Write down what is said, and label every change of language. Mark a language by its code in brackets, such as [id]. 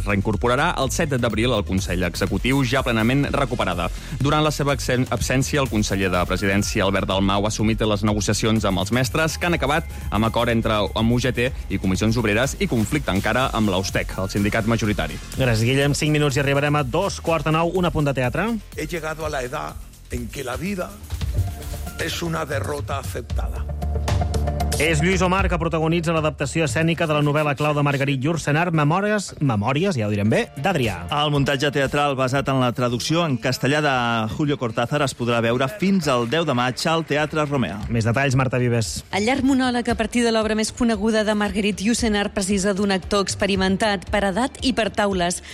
[ca] Es reincorporarà el 7 d'abril al Consell Executiu, ja plenament recuperada. Durant la seva absència, el conseller de Presidència, Albert Dalmau, ha assumit les negociacions amb els mestres, que han acabat amb acord entre UGT i Comissions Obreres i conflicte encara amb l'Austec, el sindicat majoritari. Gràcies, Guillem. 5 minuts i arribarem a 8:45, un apunt de teatre. [es] He llegado a la edad en que la vida es una derrota aceptada. [ca] És Lluís Omar que protagonitza l'adaptació escènica de la novel·la clau de Margarit Jursenar, Memòries, ja ho direm bé, d'Adrià. El muntatge teatral basat en la traducció en castellà de Julio Cortázar es podrà veure fins al 10 de maig al Teatre Romea. Més detalls, Marta Vives. El llarg monòleg a partir de l'obra més coneguda de Margarit Jursenar precisa d'un actor experimentat per edat i per taules.